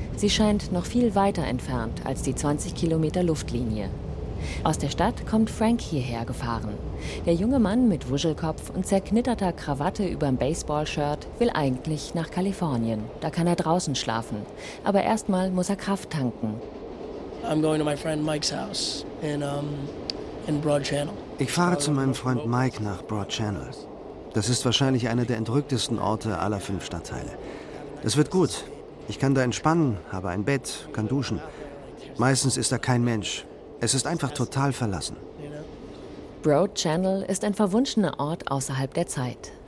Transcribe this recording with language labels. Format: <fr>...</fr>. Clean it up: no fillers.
<de>Sie scheint noch viel weiter entfernt als die 20 Kilometer Luftlinie. Aus der Stadt kommt Frank hierher gefahren. Der junge Mann mit Wuschelkopf und zerknitterter Krawatte überm Baseballshirt will eigentlich nach Kalifornien. Da kann er draußen schlafen. Aber erstmal muss er Kraft tanken.</de> <en>I'm going to my friend Mike's house in Broad Channel.</en> <de>Ich fahre zu meinem Freund Mike nach Broad Channel. Das ist wahrscheinlich einer der entrücktesten Orte aller 5 Stadtteile. Es wird gut. Ich kann da entspannen, habe ein Bett, kann duschen. Meistens ist da kein Mensch. Es ist einfach total verlassen. Broad Channel ist ein verwunschener Ort außerhalb der Zeit.</de>